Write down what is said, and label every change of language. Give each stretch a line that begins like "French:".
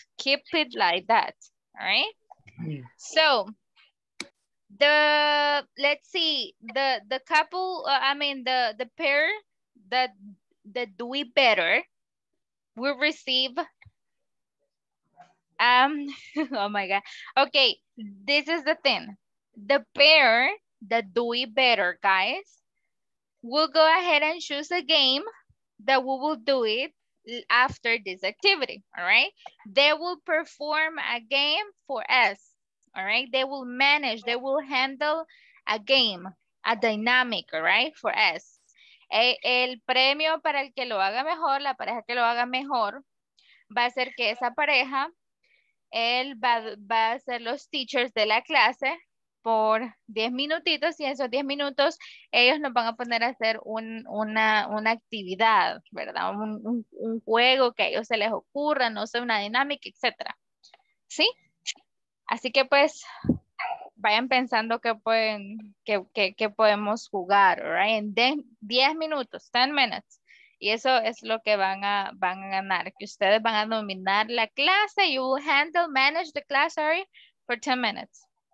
English: Keep it like that, all right? So the pair that do it better will receive oh my god, okay, this is the thing, the pair that do it better, guys, we'll go ahead and choose a game that we will do it after this activity, all right? They will perform a game for us. All right, they will manage, they will handle a game, a dynamic, all right, for us.
Spanish: El premio para el que lo haga mejor, la pareja que lo haga mejor, va a ser que esa pareja, él va a ser los teachers de la clase por 10 minutitos, y en esos 10 minutos ellos nos van a poner a hacer una actividad, ¿verdad? Un juego que a ellos se les ocurra, no sé, una dinámica, etc. ¿Sí? Así que pues vayan pensando que podemos jugar, right? En 10 minutos,
English: 10 minutes.
Spanish: Y eso es lo que van a ganar, que ustedes van a dominar la clase.
English: You will handle, manage the class, sorry, for 10 minutes.